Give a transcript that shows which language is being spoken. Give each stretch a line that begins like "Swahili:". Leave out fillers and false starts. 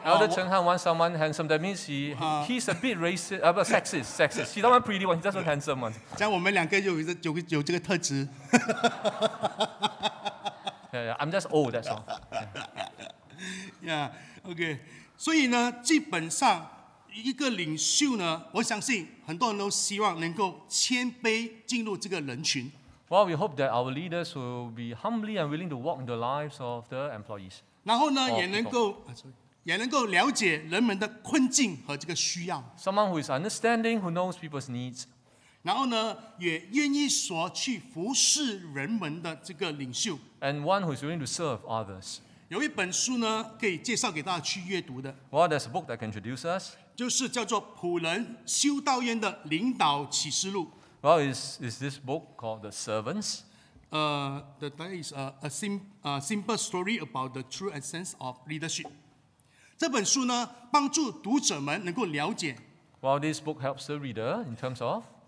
English: Elder Chen Han wants someone handsome. That means he's a bit racist, sexist. He's not a pretty one, he's just a handsome one.
Chinese: 这样我们两个有这个特质。
English: Yeah, I'm just old, that's all. Yeah, okay.
Chinese: 所以呢，基本上一个领袖呢，我相信很多人都希望能够谦卑进入这个人群。
English: Well, we hope that our leaders will be humbly and willing to walk in the lives of the employees.
Chinese: 然后呢，也能够了解人们的困境和这个需要。
English: Someone who is understanding, who knows people's needs.
Chinese: 然后呢，也愿意说去服侍人们的这个领袖。
English: And one who is willing to serve others.
Chinese: 有一本书呢，可以介绍给大家去阅读的。
English: Well, there's a book that can introduce us.
Chinese: 就是叫做《仆人修道院的领导启示录》。
English: Well, is this book called The Servants? That is a simple story about the true essence of leadership.
Chinese: 这本书呢，帮助读者们能够了解。
English: Well, this book helps the reader in terms of